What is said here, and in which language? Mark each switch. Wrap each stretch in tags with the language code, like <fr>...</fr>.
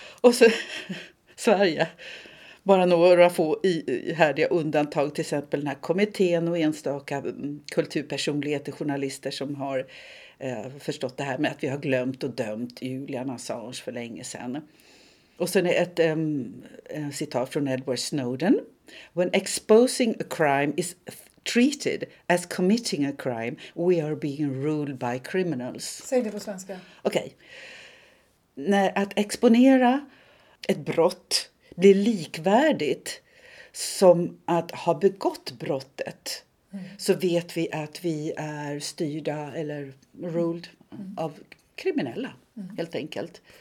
<sv>Och så Sverige. Bara några få härliga undantag. Till exempel den här kommittén och enstaka kulturpersonligheter, journalister som har förstått det här med att vi har glömt och dömt Julian Assange för länge sedan. Och sen är ett citat från Edward Snowden.</sv> <en>When exposing a crime is treated as committing a crime, we are being ruled by criminals.</en> <sv>Säg det på svenska. Okej. Okay. Att exponera ett brott blir likvärdigt som att ha begått brottet. Så vet vi att vi är styrda eller ruled av kriminella, helt enkelt.</sv>